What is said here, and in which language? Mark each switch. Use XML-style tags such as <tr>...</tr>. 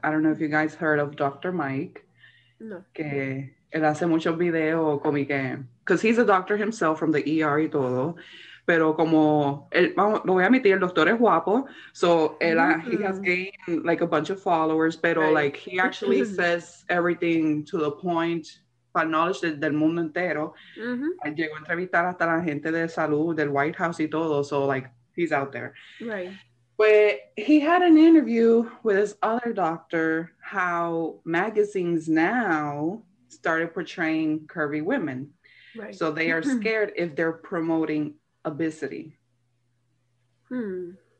<en>I don't know if you guys heard of Dr. Mike. No.</en> <es>Que él hace muchos videos como que...</es> <en>Because he's a doctor himself from the ER</en> <es>y todo. Pero como... lo voy a admitir, el doctor es guapo.</es> <en>So, él, mm-hmm. he has gained, a bunch of followers. Pero, right. He actually says everything to the point...</en> <es>para knowledge del mundo entero. Mm-hmm. Llegó a entrevistar hasta la gente de salud, del White House y todo.</es> <en>So, he's out there. Right. But he had an interview with his other doctor, how magazines now started portraying curvy women. Right. So they are scared if they're promoting obesity. Hmm.</en>